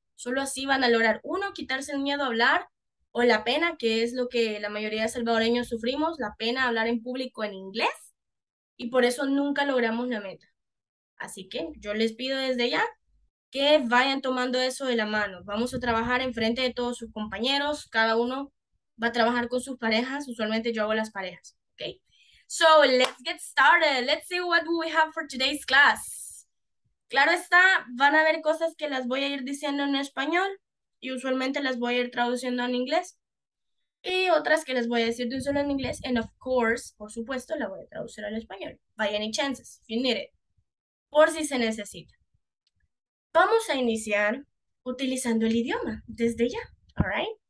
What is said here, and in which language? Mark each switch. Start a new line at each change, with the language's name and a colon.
Spanish: Solo así van a lograr, uno, quitarse el miedo a hablar, o la pena, que es lo que la mayoría de salvadoreños sufrimos, la pena hablar en público en inglés, y por eso nunca logramos la meta. Así que yo les pido desde ya que vayan tomando eso de la mano. Vamos a trabajar enfrente de todos sus compañeros. Cada uno va a trabajar con sus parejas. Usualmente yo hago las parejas.
English: Okay. So let's get started. Let's see what we have for today's class.
Spanish: Claro está, van a haber cosas que las voy a ir diciendo en español y usualmente las voy a ir traduciendo en inglés. Y otras que les voy a decir de un solo en inglés.
English: And of course,
Spanish: por supuesto, la voy a traducir al español.
English: By any chances, if you need it.
Spanish: Por si se necesita. Vamos a iniciar utilizando el idioma desde ya, alright?